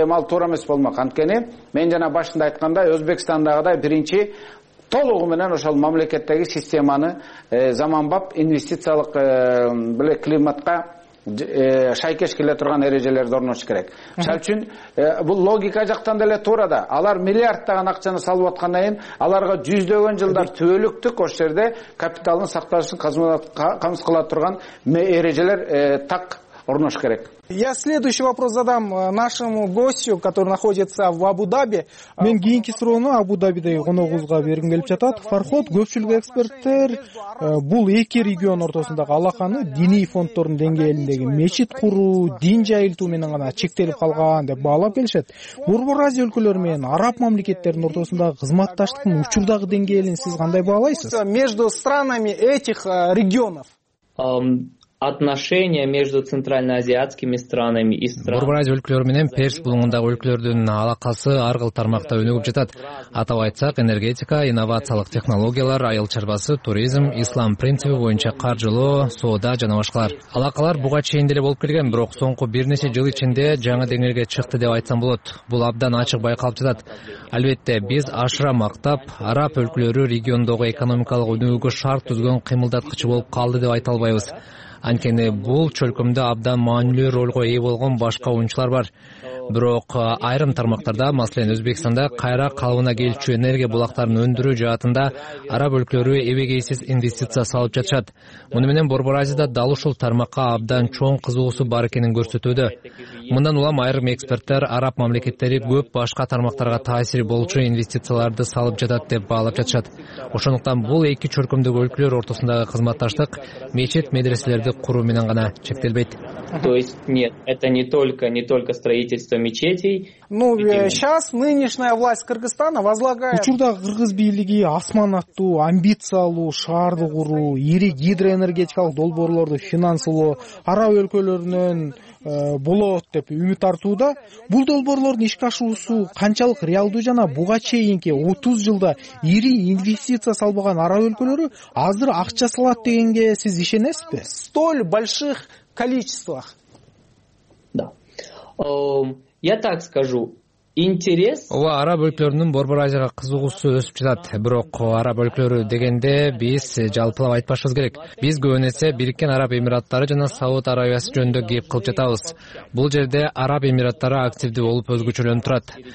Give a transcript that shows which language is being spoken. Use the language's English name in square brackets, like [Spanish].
[Kyrgyz] Эми ал туура эмес болмок, анткени мен жана башында айткандай Өзбекстандагыдай биринчи толугу менен ошол мамлекеттеги системаны заманбап инвестициялык биле климатка шайкеш келе турган эрежелерди орнотуш керек. Мисалы үчүн бул логика жактан деле туура да. Алар миллиарддаган акчаны салып аткандан кийин аларга жүздөгөн жылдар түбөлүктүк ошол жерде капиталдын сакталышын камсыз кыла турган эрежелер так орнош керек. [Russian] Я следующий вопрос задам нашему гостю, который находится в Абу-Даби. [Kyrgyz] Мен кийинки суроону Абу-Дабидеги коногубузга бергим келип жатат. Фархот, көпчүлүк эксперттер бул эки регион ортосундагы алаканы диний фонддордун деңгээлиндеги мечит куруу, дин жайылтуу менен гана чектелип калган деп баалап келишет. Борбор Азия өлкөлөрү менен араб мамлекеттеринин ортосундагы кызматташтыктын учурдагы деңгээлин сиз кандай баалайсыз? [Russian] Между странами этих регионов. Отношения между центральноазиатскими странами и странами. [Kyrgyz] Борбор Азия өлкөлөрү менен Перс булуңундагы өлкөлөрдүн алакасы ар кыл тармакта өнүгүп жатат. Атап айтсак, энергетика, инновациялык технологиялар, айыл чарбасы, туризм, ислам принциби боюнча каржылоо, соода жана башкалар. Алакалар буга чейин деле болуп келген, бирок соңку бир нече жыл ичинде жаңы деңгээлге чыкты деп айтсам болот. Бул абдан ачык байкалып жатат. Албетте, биз ашыра мактап, араб өлкөлөрү региондогу экономикалык өнүгүүгө шарт түзгөн кыймылдаткыч болуп калды деп айта албайбыз. Анткени бул чөлкөмдө абдан маанилүү ролго ээ болгон башка оюнчулар бар. Бирок айрым тармактарда, маселен Өзбекстанда кайра калыбына келчү энергия булактарын өндүрүү жаатында араб өлкөлөрү эбегейсиз инвестиция салып жатышат. Муну менен Борбор Азияда дал ушул тармакка абдан чоң кызыгуусу бар экенин көрсөтүүдө. Мындан улам айрым эксперттер араб мамлекеттери көп башка тармактарга таасири болчу инвестицияларды салып жатат деп баалап жатышат. Ошондуктан бул эки чөркөмдөгү өлкөлөр ортосундагы кызматташтык мечет медреселерди куруу менен гана чектелбейт. [Russian] То есть нет, это не только строительство мечетей. Сейчас нынешняя власть Кыргызстана возлагает. [Kyrgyz] Учурда кыргыз бийлиги асман аттуу амбициялуу шаарды куруу, ири гидроэнергетикалык долбоорлорду финансылоо араб өлкөлөрүнөн болот деп үмүт артууда. Бул долбоорлордун ишке ашуусу канчалык реалдуу жана буга чейинки 30 жылда ири инвестиция салбаган араб өлкөлөрү азыр акча салат дегенге сиз ишенесизби? [Russian] Столь больших количествах. Да. Я так скажу. Интерес. [Kyrgyz] Ооба, араб өлкөлөрүнүн Борбор Азияга кызыгуусу өсүп жатат. Бирок араб өлкөлөрү дегенде биз жалпылап айтпашыбыз керек. Биз көбүнесе Бириккен Араб Эмираттары жана Сауд Арабиясы жөнүндө кеп кылып жатабыз. Бул жерде Араб Эмираттары активдүү болуп өзгөчөлөнүп турат.